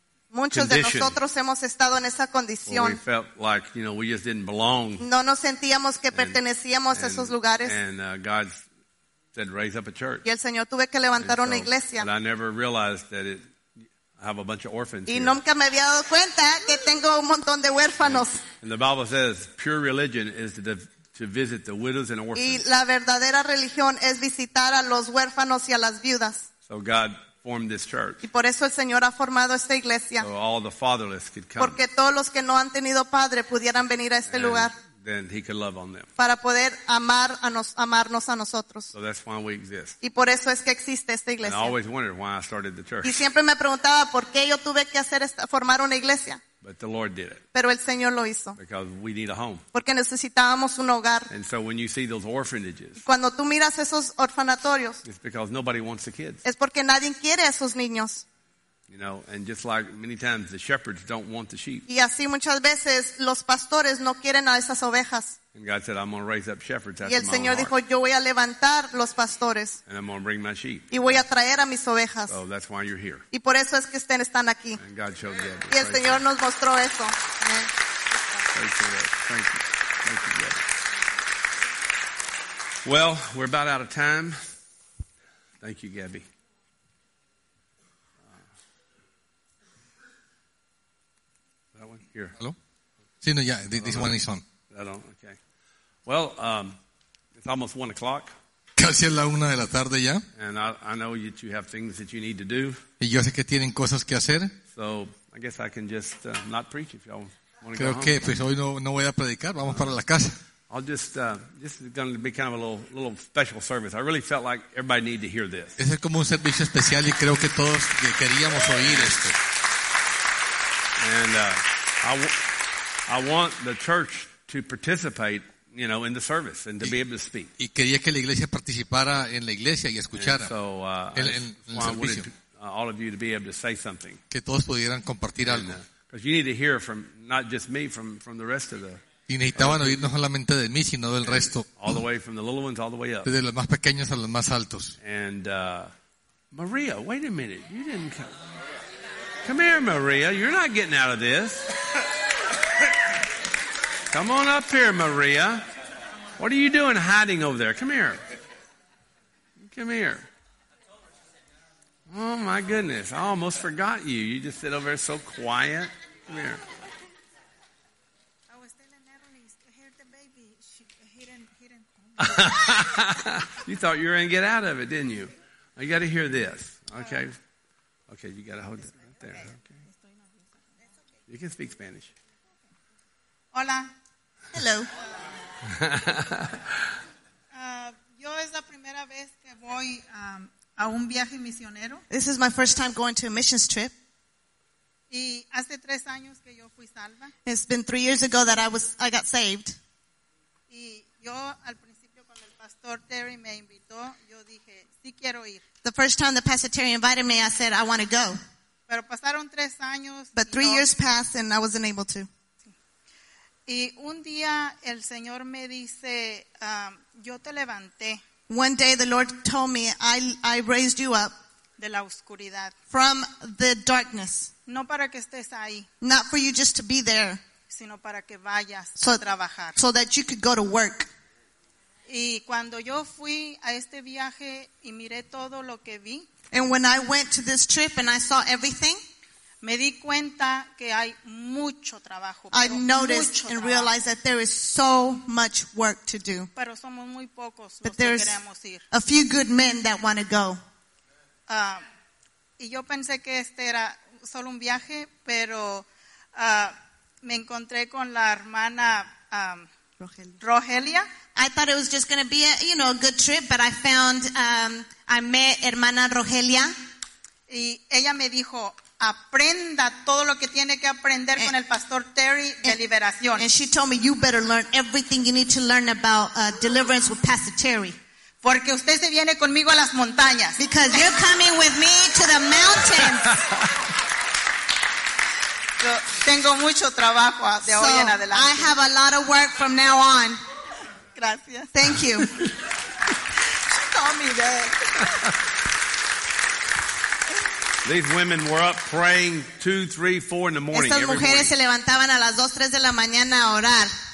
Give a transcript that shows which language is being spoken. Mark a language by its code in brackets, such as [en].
[es] Muchos de nosotros hemos estado en esa condición. [en] We felt like, you know, we just didn't belong. [es] No nos sentíamos que pertenecíamos a esos lugares. [en] And God said, raise up a church. [es] Y el Señor tuve que levantar una iglesia. [en] But I never realized that it. I have a bunch of orphans. [es] Y nunca me había dado cuenta que tengo un montón de huérfanos. [en] And the Bible says pure religion is to to visit the widows and orphans. [es] Y la verdadera religión es visitar a los huérfanos y a las viudas. [en] So God formed this church. [es] Y por eso el Señor ha formado esta iglesia. [en] So all the fatherless could come. [es] Porque todos los que no han tenido padre pudieran venir a este lugar. [en] Then he could love on them. [es] Para poder amar a amarnos a nosotros. [en] So that's why we exist. [es] Y por eso es que existe esta iglesia. [en] And I always wondered why I started the church. [es] Y siempre me preguntaba por qué yo tuve que hacer formar una iglesia. [en] But the Lord did it. [es] Pero el Señor lo hizo. [en] Because we need a home. [es] Porque necesitábamos un hogar. [en] And so when you see those orphanages, [es] cuando tú miras esos orfanatorios, [en] it's because nobody wants the kids. [es] Es porque nadie quiere a esos niños. [en] You know, and just like many times, the shepherds don't want the sheep. [es] Y así muchas veces los pastores no quieren a esas ovejas. [en] And God said, "I'm going to raise up shepherds." [es] Y el Señor dijo, "Yo voy a levantar los pastores." [en] And I'm going to bring my sheep. [es] Y voy a traer a mis ovejas. [en] So that's why you're here. [es] Y por eso es que están aquí. [en] And God showed you. [es] Y el Señor nos mostró eso. [en] Thank you. Well, we're about out of time. Thank you, Gabby. Here. Hello? Yeah, this one is on. Okay. Well, it's almost 1 o'clock. [es] Casi es la una de la tarde ya. [en] And I know that you have things that you need to do. [es] Y yo sé que tienen cosas que hacer. [en] So I guess I can just not preach if y'all want to go. [es] Creo que pues hoy no voy a predicar, vamos para la casa. [en] I'll just, this is going to be kind of a little special service. I really felt like everybody needed to hear this. [es] Es como un servicio especial y creo que todos queríamos oír esto. [en] And I want the church to participate, you know, in the service and to be able to speak. [es] Y quería que la iglesia participara en la iglesia y escuchara. [en] And so all of you to be able to say something. [es] Que todos pudieran compartir algo. [en] Because you need to hear from not just me, from the rest of the. [es] Y necesitaban oír no solamente de mí sino del resto. [en] All the way from the little ones all the way up. [es] Desde los más pequeños a los más altos. [en] And Maria, wait a minute, you didn't come. Come here, Maria. You're not getting out of this. Come on up here, Maria. What are you doing hiding over there? Come here. Come here. Oh, my goodness. I almost forgot you. You just sit over there so quiet. Come here. I was telling Natalie, here the baby. Hidden. You thought you were going to get out of it, didn't you? You got to hear this. Okay. Okay, you got to hold it. There. Okay. You can speak Spanish. [es] Hola. [en] Hello. [es] yo es la primera vez que voy a un viaje misionero. [en] This is my first time going to a missions trip. [es] Y hace 3 años que yo fui salva. [en] It's been 3 years ago that I got saved. [es] Y yo al principio cuando el pastor Terry me invitó, yo dije, sí quiero ir. [en] The first time the pastor Terry invited me, I said I want to go. [es] Pero pasaron 3 años. [en] But 3 years passed and I wasn't able to. [es] Y un día el Señor me dice, yo te levanté. [en] One day the Lord told me, I raised you up. [es] De la oscuridad. [en] From the darkness. [es] No para que estés ahí. [en] Not for you just to be there. [es] Sino para que vayas a trabajar. [en] So that you could go to work. [es] Y cuando yo fui a este viaje y miré todo lo que vi. [en] And when I went to this trip and I saw everything, [es] me di cuenta que hay mucho trabajo, [en] I noticed [es] mucho [en] and [es] trabajo. [en] Realized that there is so much work to do. [es] Pero somos muy pocos [en] but [es] los [en] there's [es] que queremos ir. [en] A few good men that want to go. [es] Y yo pensé que este era solo un viaje, pero me encontré con la hermana Rogelia. [en] I thought it was just going to be a good trip, but I found, I met hermana Rogelia. [es] Y ella me dijo, aprenda todo lo que tiene que aprender con el pastor Terry de liberación. [en] And she told me, you better learn everything you need to learn about deliverance with Pastor Terry. [es] Porque usted se viene conmigo a las montañas. [en] Because you're coming with me to the mountains. [es] Yo tengo mucho trabajo de hoy en adelante. [en] I have a lot of work from now on. [es] Gracias. [en] Thank you. Tommy, that. These women were up praying 2, 3, 4 in the morning. [es] Estas mujeres [en] every morning. [es] Se levantaban a las 2, 3 de la mañana a orar.